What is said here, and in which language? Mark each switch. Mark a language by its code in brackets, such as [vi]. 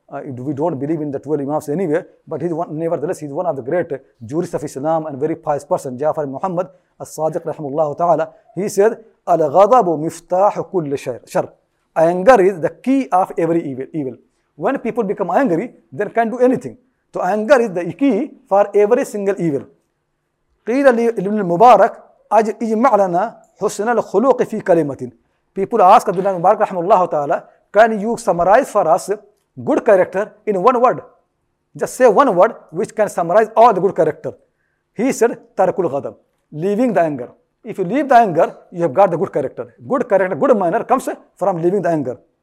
[en] We don't believe in the 12 Imams anyway, but he's one of the great jurists of Islam and very pious person, Ja'far ibn Muhammad al-Sadiq rahimahullah ta'ala. He said, [ar] Al-ghadabu miftahu kulli shar. [en] Anger is the key of every evil. When people become angry, they can do anything. So anger is the key for every single evil. [ar] قيل لابن المبارك اجمع لنا حسن الخلق في كلمه. [en] People ask Abdullah Mubarak rahimahullah ta'ala, can you summarize for us good character in one word? Just say one word which can summarize all the good character. He said [ar] tarkul ghadab, [en] leaving the anger. If you leave the anger, you have got the good character. Good character, good manner comes from leaving the anger.